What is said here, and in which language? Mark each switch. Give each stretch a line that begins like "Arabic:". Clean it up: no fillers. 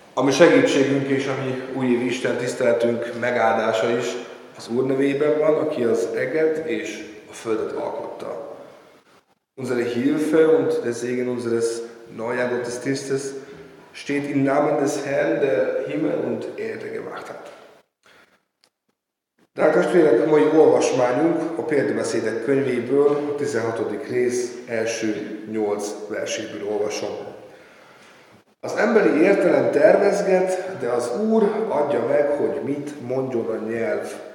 Hungarian: segítségünk és a mi újévi Isten tiszteletünk megáldása is az Úr nevében van, aki az eget és a földet alkotta.
German: Unsere Hilfe und der Segen unseres neuen Gottesdienstes steht im Namen des Herrn, der Himmel und Erde gemacht hat.
Hungarian: Drága testvérek, a mai olvasmányunk a Példabeszédek könyvéből, a 16. rész első 8 verséből olvasom. Az emberi értelem tervezget, de az Úr adja meg, hogy mit mondjon a nyelv.